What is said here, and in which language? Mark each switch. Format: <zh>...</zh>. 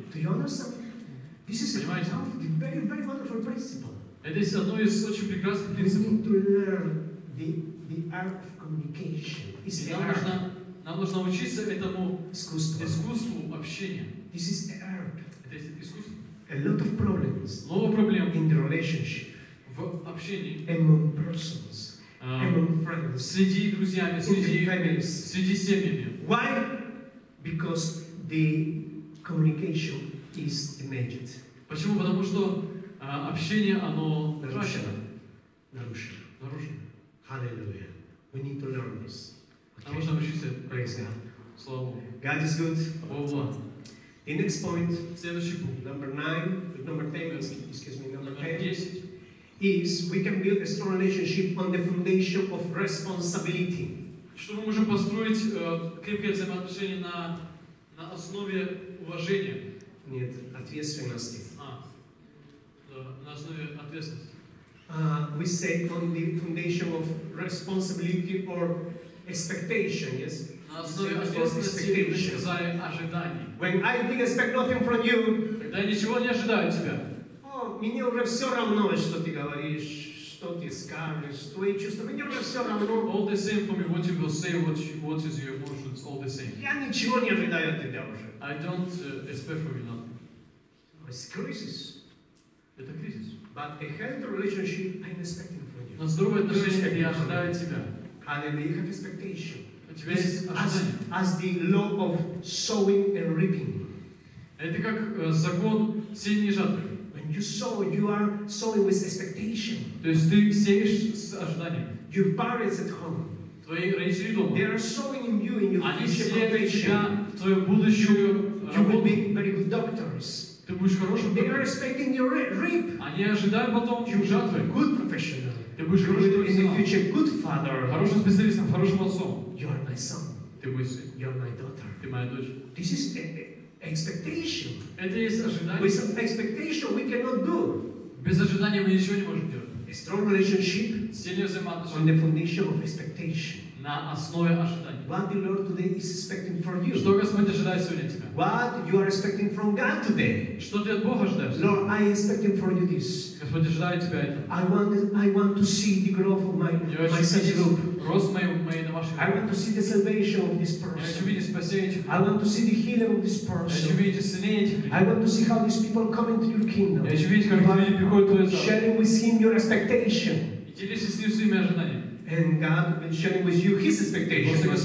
<en>Do you understand? This is a very, very, very wonderful principle.</en> <ru>Это есть одно из очень прекрасных принципов.</ru> <en>We need to learn the art of communication. It's an art.</en> <ru>Нам нужно учиться этому искусству общения.</ru> <en>This is an art.</en> <ru>Это есть искусство.</ru> <en>A lot of problems.</en> <ru>Много проблем.</ru> <en>In the relationship.</en> <ru>В общении.</ru> <en>Among persons. Among friends.</en> <ru>Среди друзьями. Среди</ru> <en>families.</en> <ru>Среди семьями.</ru> <en>Why? Because the communication is damaged.</en> <ru>Почему? Потому что общение оно нарушено.</ru> <en>Hallelujah. We need to learn this.</en> <ru>Нам нужно учиться.</ru> <en>Praise God.</en> <ru>Слава Богу.</ru> <en>God is good.</en> <ru>Богу.</ru> <en>The next point,</en> <ru>следующий пункт,</ru> <en>number 10, is we can build a strong relationship on the foundation of responsibility.</en> <ru>Что мы можем построить крепкие взаимоотношения на основе уважения? Нет, ответственности. А, да, на основе ответственности.</ru> <en>We say on the foundation of responsibility or expectation, yes?</en> <ru>На основе ответственности мы сказали ожиданий.</ru> <en>When I didn't expect nothing from you,</en> <ru>когда я ничего не ожидаю от тебя. Мне уже все равно, что ты говоришь, что ты скажешь, твои чувства. Мне уже все равно.</ru> <en>All the same for me, what you will say, what is your emotions, all the same.</en> <ru>Я ничего не ожидаю от тебя уже.</ru> <en>I don't expect from you nothing. It's crisis.</en> <ru>Это кризис.</ru> <en>But a healthy relationship, I'm expecting from you.</en> <ru>На здоровое отношение я ожидаю от тебя.</ru> <en>Hallelujah, have expectation.</en> <ru>У тебя есть ожидание.</ru> <en>As the law of sowing and reaping.</en> <ru>Это как закон сеяния и жатвы.</ru> <en>When you sow, you are sowing with expectation.</en> <ru>То есть ты сеешь с ожиданием.</ru> <en>Your parents at home.</en> <ru>Твои родители дома.</ru> <en>They are sowing in you in your</en> <ru>Они</ru> <en>future profession.</en> <ru>В твою будущую работу.</ru> <en>You will be very good doctors.</en> <ru>Ты будешь хорошим.</ru> <en>They are expecting your reap.</en> <ru>Они ожидают потом жатвы.</ru> <en>Good professional.</en> <ru>Ты будешь хорошим профессионалом.</ru> <en>In the future, good father.</en> <ru>Хорошим специалистом, хорошим отцом.</ru> <en>You are my son.</en> <ru>Ты мой сын.</ru> <en>You are my daughter.</en> <ru>Ты моя дочь.</ru> <en>This is expectation.</en> <ru>Это есть ожидание.</ru> <en>With some expectation we cannot do.</en> <ru>Без ожидания мы ничего не можем делать.</ru> <en>A strong relationship.</en> <ru>Сильное взаимоотношение.</ru> <en>On the foundation of expectation.</en> <ru>На основе ожидания.</ru> <en>What the Lord today is expecting from you.</en> <ru>Что Господь ожидает сегодня от тебя?</ru> <en>What you are expecting from God today?</en> <ru>Что ты от Бога ожидаешь?</ru> <en>Lord, I expecting from you this.</en> <ru>Господь ожидает тебя это.</ru> <en>I want to see the growth of my such group.</en> <ru>Рост моей на вашей группе.</ru> <en>I want to see the salvation of this person.</en> <ru>Я хочу видеть спасение этих людей.</ru> <en>I want to see the healing of this person.</en> <ru>Я хочу видеть исцеление этих людей.</ru> <en>I want to see how these people come into your kingdom.</en> <ru>Я хочу видеть, как люди приходят в твое царство.</ru> <en>Sharing with him your expectation.</en> <ru>И делитесь с ним своими ожиданиями.</ru> <en>And God will be sharing with you His expectations.</en>